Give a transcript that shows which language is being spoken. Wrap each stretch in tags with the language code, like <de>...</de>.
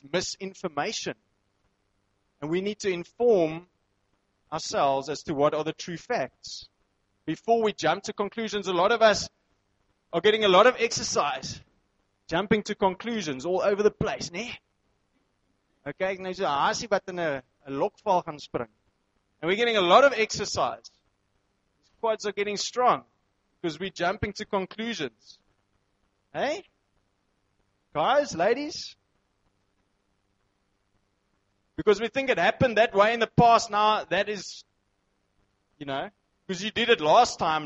<en>It's misinformation. And we need to inform ourselves as to what are the true facts before we jump to conclusions. A lot of us are getting a lot of exercise jumping to conclusions all over the place, né?</en> <af>Okay, nou so asie wat in 'n lokval gaan spring.</af> <en>And we're getting a lot of exercise. These quads are getting strong. Because we're jumping to conclusions. Hey? Guys, ladies? Because we think it happened that way in the past. Now, that is, you know, because you did it last time.</en>